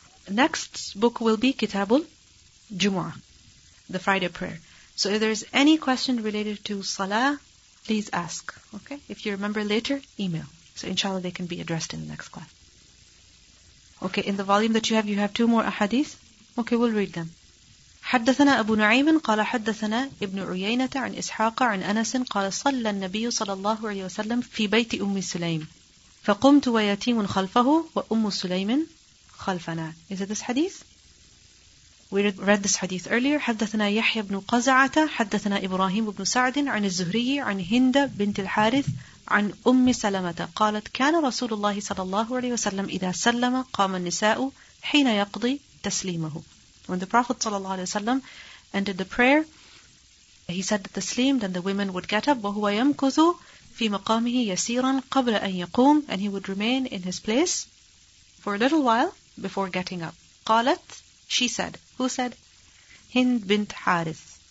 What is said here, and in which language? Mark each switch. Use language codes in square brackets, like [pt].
[en] Next book will be Kitabul Jumu'ah, the Friday prayer. So if there's any question related to Salah, please ask. Okay? If you remember later, email. So inshallah they can be addressed in the next class. Okay, in the volume that you have two more ahadith. Okay, we'll read them. [ar] حدثنا أبو نعيم قال حدثنا ابن عيينة عن إسحاق عن أنس قال صلى النبي صلى الله عليه وسلم في بيت أم سليم فقمت ويتيم خلفه وأم سليم خلفنا. [en] Is it this hadith? We read this hadith earlier. [ar] حدثنا يحيى بن قزعة حدثنا إبراهيم بن سعد عن الزهري عن هند بنت الحارث عن أم سلمة قالت كان رسول الله صلى الله عليه وسلم إذا سلم قام النساء حين يقضي تسليمه. [en] When the Prophet ﷺ ended the prayer, he said that taslim, then the women would get up. [ar] وَهُوَ يَمْكُثُ فِي مَقَامِهِ يَسِيرًا قَبْلَ أَن يَقُومُ. [en] And he would remain in his place for a little while before getting up. [ar] قَالَتْ, [en] she said. Who said? Hind bint Harith.